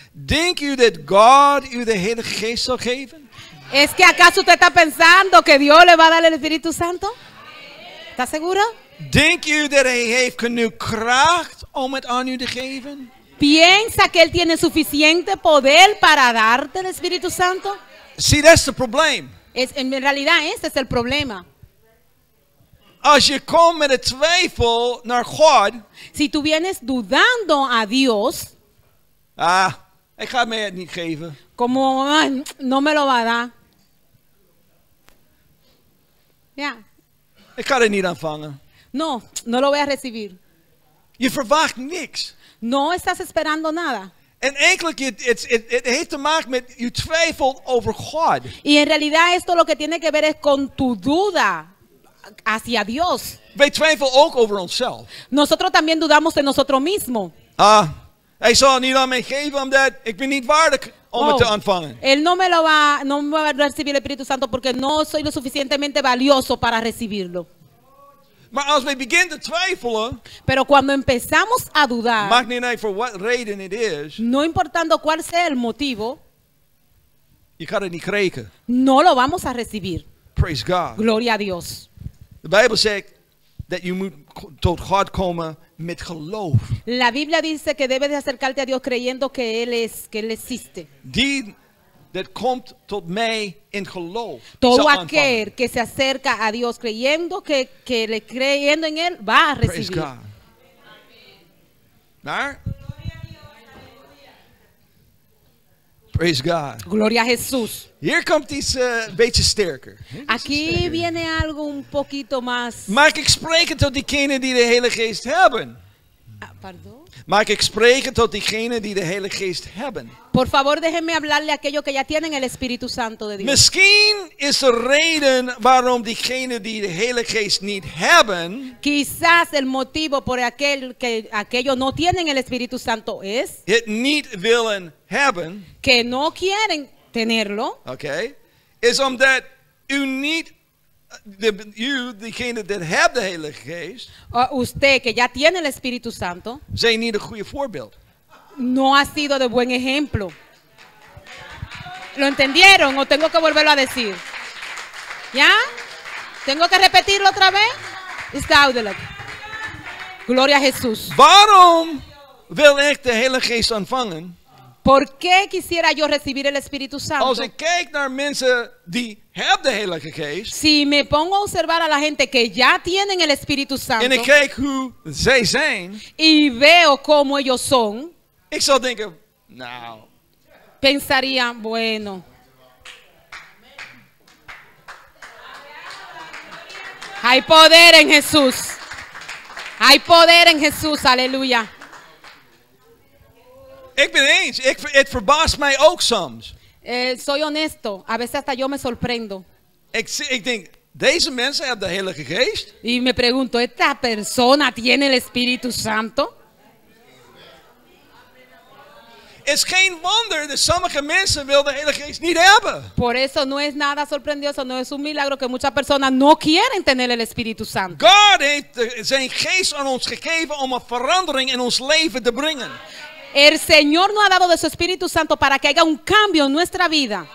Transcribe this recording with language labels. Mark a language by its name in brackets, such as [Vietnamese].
[Dutch] Denk u dat God u de hele geest zal geven? [Spanish] Es que acaso usted está pensando que Dios le va a dar el Espíritu Santo? ¿Estás seguro? [Dutch] Denk u dat hij heeft genoeg kracht om het aan u te geven? [Spanish] Piensa que él tiene suficiente poder para darte el Espíritu Santo? [English] See, that's the problem. [Spanish] Es en realidad ese es el problema. [Dutch] Als je komt met een twijfel naar God, [Spanish] si tú vienes dudando a Dios, [Dutch] ik ga mij het niet geven. [Spanish] Como no me lo va a dar. [Dutch] Ja. Ik ga het niet aanvangen. [Spanish] No, no lo voy a recibir. [Dutch] Je verwacht niks. [Spanish] No estás esperando nada. [Dutch] En eigenlijk, het heeft te maken met je twijfel over God. [Spanish] Y en realidad esto lo que tiene que ver es con tu duda hacia Dios. [Dutch] Wij twijfelen ook over onszelf. [Spanish] Nosotros también dudamos de nosotros mismos. [Dutch] Hij zal het niet aan mij geven omdat ik ben niet waardig. Om het te ontvangen. [Spanish] Él no me lo va, no me va a recibir el Espíritu Santo porque no soy lo suficientemente valioso para recibirlo. [Dutch] Maar als we begin te twijfelen, [Spanish] pero cuando empezamos a dudar, [Dutch] maakt niet uit voor wat reden het is, [Spanish] no importando cuál sea el motivo, [Dutch] je kan het niet krijgen. [Spanish] No lo vamos a recibir. [English] Praise God. [Spanish] Gloria a Dios. [Dutch] De Bijbel zegt dat je moet tot God komen. Met geloof. [Spanish] La Biblia dice que debes de acercarte a Dios creyendo que él existe. [Dutch] Die that komt tot mij in geloof. [Spanish] Todo aquel que se acerca a Dios creyendo que le creyendo en él va a recibir. [English] Praise God. [Dutch] Maar? [English] Praise God. [Spanish] Gloria a Jesús. [Dutch] Hier komt iets beetje sterker. [Spanish] Aquí viene algo un poquito más. [Dutch] Maak ik spreken tot diegenen die de Heilige Geest hebben. Pardon? Maak ik spreken tot diegenen die de Heilige Geest hebben. [Spanish] Por favor, déjenme hablarle a aquellos que ya tienen el Espíritu Santo de Dios. [Dutch] Misschien is de reden waarom diegenen die de Heilige Geest niet hebben. [Spanish] Quizás el motivo por aquel que aquellos no tienen el Espíritu Santo es. [Dutch] Het niet willen hebben. [Spanish] Que no quieren tenerlo. [Dutch] Okay. Is omdat u niet. U, diegene die hebt de Heilige Geest. [Spanish] Usted que ya tiene el Espíritu Santo. [Dutch] Zijn niet een goede voorbeeld. [Spanish] No ha sido de buen ejemplo. ¿Lo entendieron o tengo que volverlo a decir? ¿Ya? ¿Tengo que repetirlo otra vez? Está audible. Gloria a Jesús. [Dutch] Waarom wil ik de Heilige Geest ontvangen? [Spanish] ¿Por qué quisiera yo recibir el Espíritu Santo? [Dutch] Als ik kijk naar mensen die hebben de Heilige Geest. [Spanish] Si me pongo a observar a la gente que ya tienen el Espíritu Santo. [Dutch] En ik kijk hoe zij zijn. [Spanish] Y veo cómo ellos son. [Dutch] Ik zou denken, nou. [Spanish] Pensaría, bueno. Hay poder en Jesús. Hay poder en Jesús, aleluya. [Dutch] Ik ben eens. Het verbaast mij ook soms. [Spanish] Soy honesto. A veces hasta yo me sorprendo. [Dutch] Ik denk, deze mensen hebben de Heilige Geest. [Spanish] Y me pregunto, ¿esta persona tiene el Espíritu Santo? [Dutch] Het is geen wonder dat sommige mensen wil de Heilige Geest niet hebben. [Spanish] Por eso no es nada sorprendioso, no es un milagro que muchas personas no quieren tener el Espíritu Santo. [Dutch] God heeft zijn Geest aan ons gegeven om een verandering in ons leven te brengen. [Spanish] El Señor nos ha dado de su Espíritu Santo para que haya un cambio en nuestra vida.